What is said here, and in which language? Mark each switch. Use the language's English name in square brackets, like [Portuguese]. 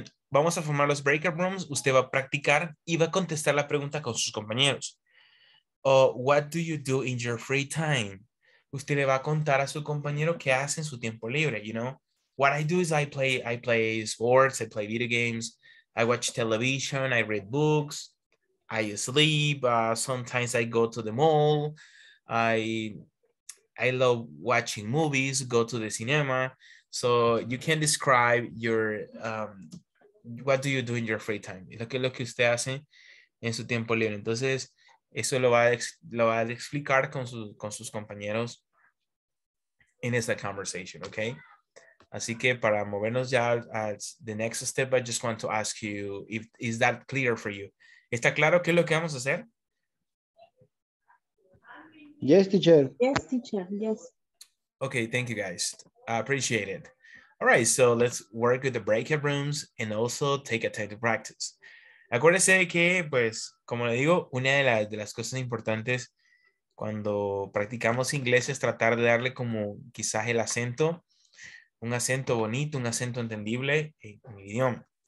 [Spanish] Vamos a formar los breakout rooms. Usted va a practicar y va a contestar la pregunta con sus compañeros. [English] Oh, what do you do in your free time? [Spanish] Usted le va a contar a su compañero qué hace en su tiempo libre, [English] you know? What I do is I play sports, I play video games, I watch television, I read books, I sleep, sometimes I go to the mall, I love watching movies, go to the cinema. So you can describe your, what do you do in your free time? [Spanish] Es lo que usted hace en su tiempo libre. Entonces, eso lo va a explicar con sus compañeros en esta conversation, okay? Así que para movernos ya al [English] the next step, I just want to ask you, is that clear for you? [Spanish] ¿Está claro qué es lo que vamos a hacer? Yes, teacher. Yes, teacher, yes. Okay, thank you guys. I appreciate it. All right, so let's work with the breakout rooms and also take a time to practice. Acuérdense de que, pues, como le digo, una de las cosas importantes cuando practicamos inglés es tratar de darle como quizás el acento, un acento bonito, un acento entendible en el idioma.